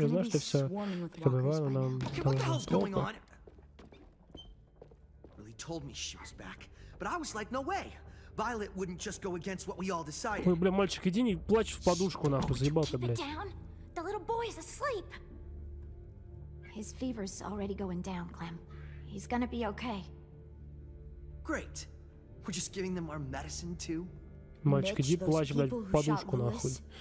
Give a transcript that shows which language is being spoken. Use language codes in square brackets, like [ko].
[ru] Я знаю, что все побывало нам там плохо. [en] Lilly told me she was back, but I was like, no way. Violet wouldn't just go against what we all decided. [ru] Ой, бля, мальчик, иди не плачь в подушку, нахуй, заебал ты, блядь. [en] The little boy is asleep. His fever's already going down, Clem. He's gonna be okay. Great. We're just giving them our medicine too. [ru] Мальчик, иди плачь, блядь, в подушку, нахуй.